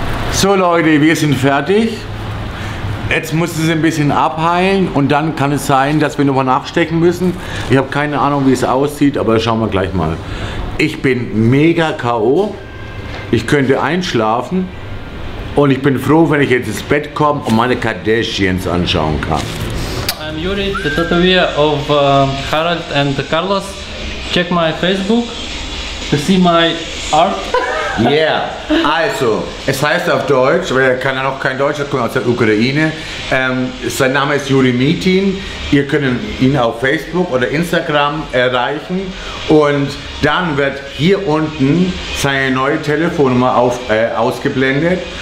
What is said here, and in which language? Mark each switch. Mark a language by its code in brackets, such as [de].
[de] So, Leute, wir sind fertig. Jetzt muss es ein bisschen abheilen und dann kann es sein, dass wir nochmal nachstecken müssen. Ich habe keine Ahnung, wie es aussieht, aber schauen wir gleich mal. Ich bin mega K.O. Ich könnte einschlafen und ich bin froh, wenn ich jetzt ins Bett komme und meine Kardashians anschauen kann. [en] I'm Yuri, the tattooer of Harald and Carlos. Check my Facebook to see my art. [de] Yeah, also, es heißt auf Deutsch, weil er kann ja noch kein Deutsch, er kommt aus der Ukraine. Sein Name ist Yuri Mitin. Ihr könnt ihn auf Facebook oder Instagram erreichen. Und dann wird hier unten seine neue Telefonnummer ausgeblendet.